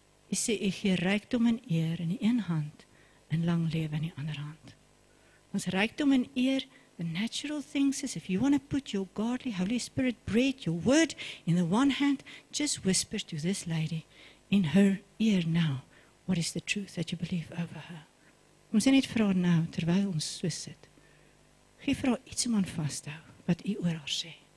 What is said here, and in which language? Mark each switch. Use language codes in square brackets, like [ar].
[af] Jy sê, ek gee rykdom en eer in die een hand, en lang lewe in die ander hand. Ons rykdom en eer, [en] the natural things is, if you want to put your godly Holy Spirit bread, your word, in the one hand, just whisper to this lady, in her ear now, what is the truth that you believe over her. [af] Ons sê net vir haar nou, terwyl ons so sit, gee vir haar iets om aan vasthou, wat u oor haar sê.